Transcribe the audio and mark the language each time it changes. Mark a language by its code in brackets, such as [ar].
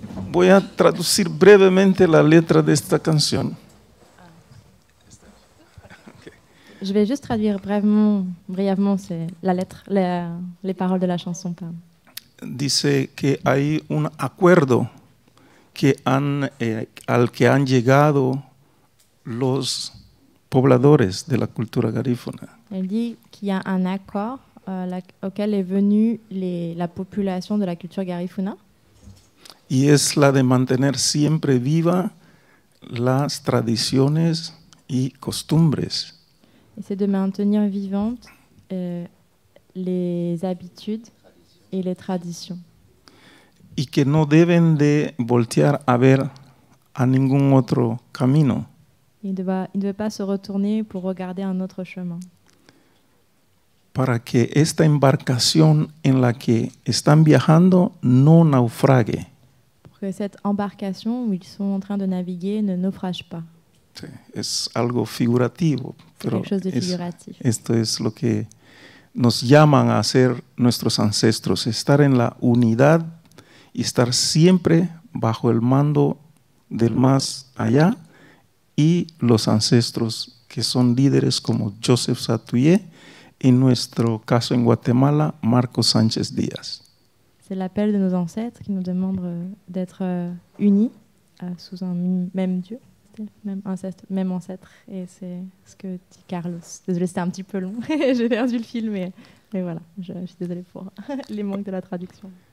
[es] Voy a traducir brevemente la letra de esta canción. [fr] Je vais juste traduire brièvement c'est la lettre, les paroles de la chanson. [es] Dice que hay un acuerdo que al que han llegado los pobladores de la cultura garífuna. [fr] Elle dit qu'il y a un accord auquel est venue la population de la culture garífuna. [es] Y es la de mantener siempre viva las tradiciones y costumbres. [fr] Et c'est de maintenir vivantes les habitudes et les traditions. [es] Y que no deben de voltear a ver a ningún otro camino. [fr] Il ne doit pas se retourner pour regarder un autre chemin. [es] Para que esta embarcación en la que están viajando no naufrague. [fr] Pour que cette embarcation où ils sont en train de naviguer ne naufrage pas. [es] Es algo figurativo, pero esto es lo que nos llaman a hacer nuestros ancestros, estar en la unidad y estar siempre bajo el mando del más allá y los ancestros que son líderes como Joseph Satuyé, en nuestro caso en Guatemala, Marco Sánchez Díaz. [fr] C'est l'appel de nos ancêtres qui nous demande d'être unis sous un même Dieu, même ancêtre, et c'est ce que dit Carlos. Désolée, c'était un petit peu long, j'ai perdu le film, mais voilà, je suis désolée pour les manques de la traduction.